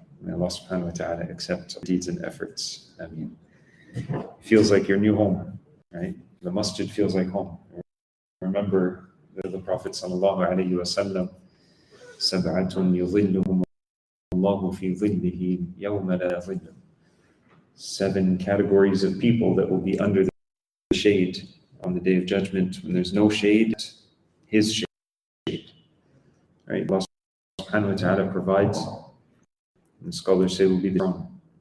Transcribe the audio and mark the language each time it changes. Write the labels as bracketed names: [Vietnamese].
[English] May Allah subhanahu wa ta'ala accept our deeds and efforts. I mean, it feels like your new home, right? The masjid feels like home. Remember the Prophet sallallahu alayhi wa sallam, [Arabic] سَبْعَةٌ يُظِلُّهُمُ اللَّهُ فِي ظِلِّهِ يَوْمَ لَا ظِلُّ. [English] 7 categories of people that will be under the shade on the Day of Judgment, when there's no shade, his shade. Right? Allah subhanahu wa ta'ala provides, and scholars say will be the strong.